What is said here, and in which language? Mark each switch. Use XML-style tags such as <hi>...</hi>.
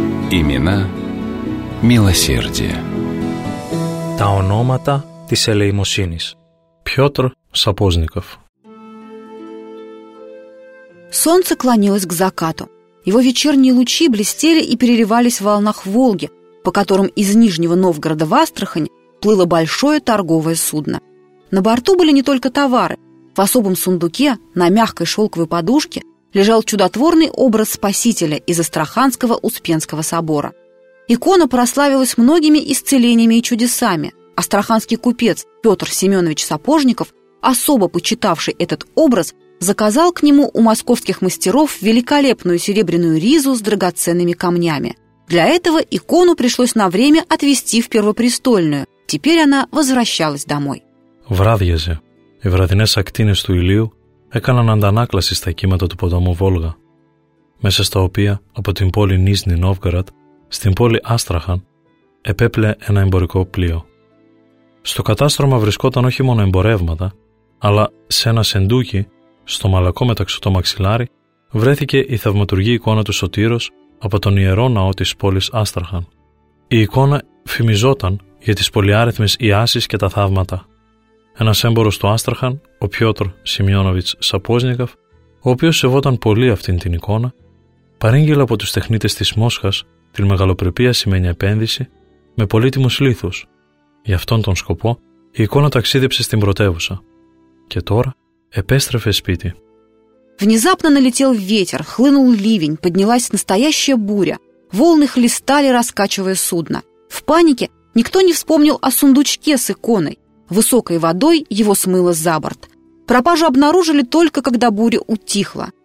<ru>Имена милосердия.</ru> <el>Τα ονόματα της ελεημοσύνης.</el> <ru>Пётр Сапожников. Солнце клонилось к закату. Его вечерние лучи блестели и переливались в волнах Волги, по которым из Нижнего Новгорода в Астрахань плыло большое торговое судно. На борту были не только товары. В особом сундуке, на мягкой шелковой подушке, лежал чудотворный образ Спасителя из Астраханского Успенского собора. Икона прославилась многими исцелениями и чудесами. Астраханский купец Петр Семенович Сапожников, особо почитавший этот образ, заказал к нему у московских мастеров великолепную серебряную ризу с драгоценными камнями. Для этого икону пришлось на время отвезти в Первопрестольную. Теперь она возвращалась домой.</ru> <el>Врадьезе, и врадинес актинес ту Илью έκαναν αντανάκλαση στα κύματα του ποταμού Βόλγα, μέσα στα οποία από την πόλη Νίζνη Νόβγαρατ στην πόλη Άστραχαν επέπλε ένα εμπορικό πλοίο. Στο κατάστρωμα βρισκόταν όχι μόνο εμπορεύματα, αλλά σε ένα σεντούκι, στο μαλακό μεταξωτό μαξιλάρι, βρέθηκε η θαυματουργή εικόνα του Σωτήρος από τον ιερό ναό της πόλης Άστραχαν. Η εικόνα φημιζόταν για τις πολυάριθμες ιάσεις και τα θαύματα. Ένας έμπορος του Άστραχαν, ο Πιότρ Σημειώνοβιτς Σαπόζνικαφ, ο οποίος σεβόταν πολύ αυτήν την εικόνα, παρήγγειλε από τους τεχνίτες της Μόσχας την μεγαλοπρεπία σημαίνει επένδυση με πολύτιμους λίθους. Γι' αυτόν τον σκοπό η εικόνα ταξίδεψε στην πρωτεύουσα και τώρα επέστρεφε σπίτι.</el> <ru>Внезапно налетел ветер, хлынул ливень, поднялась настоящая буря. Волны хлестали, раскачивая судно. В панике никто не вспомнил о сундучке с иконой. Высокой водой его смыло за борт. Пропажу обнаружили только, когда буря утихла.</ru>